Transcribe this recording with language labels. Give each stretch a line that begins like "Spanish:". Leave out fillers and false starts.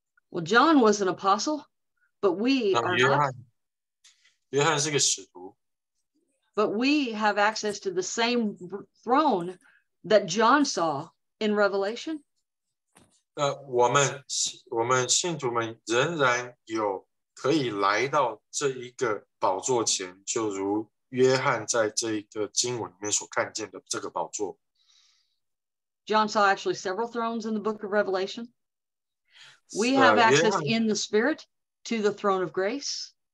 English: Well, John was an apostle, but we are not.
Chinese: 约翰是个使徒.
English: But we have access to the same throne that John saw in Revelation.
Chinese: 我们信徒们仍然有可以来到这一个宝座前，就如约翰在这一个经文里面所看见的这个宝座.
English: John saw actually several thrones in the book of Revelation. We have access in the Spirit to the throne of grace.